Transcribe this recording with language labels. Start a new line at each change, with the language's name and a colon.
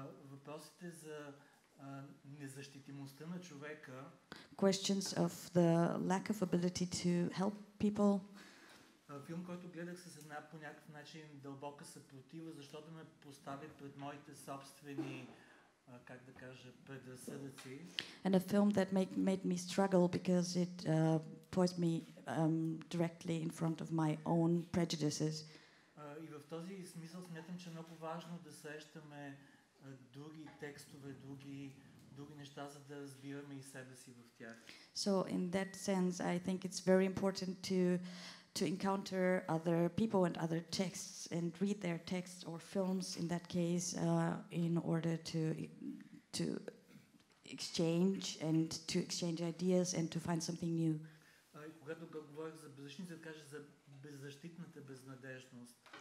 Bulgarian: Въпросите за незащитимостта на човека.
English: Questions of the lack of ability to help people.
Bulgarian: Филм, който гледах с една по някакъв начин дълбока съпротива, защото ме постави пред моите собствени, как да кажа, предразсъдъци.
English: And a film that made me struggle because it poised me directly in front of my own prejudices.
Bulgarian: И в този смисъл смятам, че е много важно да срещаме други текстове, други неща, за да разбираме и себе си в тях.
English: So in that sense, I think it's very important to encounter other people and other texts and read their texts or films in that case in order to exchange and to exchange ideas and to find something new.
Bulgarian: Когато говорих за беззащитната, кажа за беззащитната безнадежност.